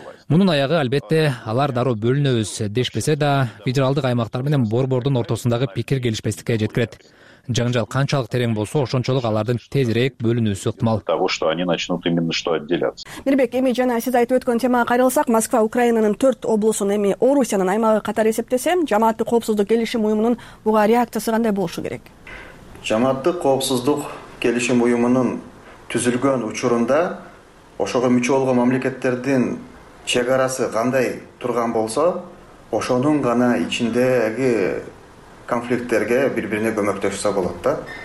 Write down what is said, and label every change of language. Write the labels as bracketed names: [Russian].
[Kyrgyz] Мунун аягы албетте алар дароо бөлүнөбүз дешпесе да, федералдык аймактар менен борбордун ортосундагы пикир келишпестикке жеткирет. Жаңжал канчалык терең болсо, ошончолук алардын тезирээк бөлүнүүсү ыктымал. [Russian] Того, что они начнут именно что отделяться. [Kyrgyz] Мирбек, эми жана сиз айтып өткөн темага кайрылсак, Москва Украинанын 4 облусун эми Орусиянын аймагы катары эсептесе, жамааттык коопсуздук келишим уюмунун буга реакциясы кандай болушу керек? Жамааттык коопсуздук келишим уюмунун түзүлгөн учурунда ошого мүчө болгон мамлекеттердин чек арасы кандай турган болсо, ошонун гана ичиндеги конфликттерге бир бирине көмөктөшсө болот да.